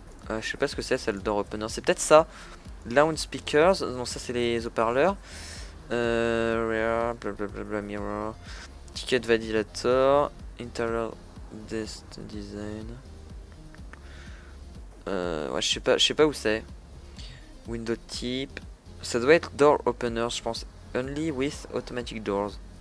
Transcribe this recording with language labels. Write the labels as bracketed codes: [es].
[fr] Je sais pas ce que c'est ça le door opener, c'est peut-être ça. [en] Loud speakers, [fr] non ça c'est les haut-parleurs. [en] Rear, blablabla, mirror, ticket validator, interior desk design. [fr] Ouais je sais pas où c'est. [en] Window tip, [fr] ça doit être door openers je pense. [en] Only with automatic doors.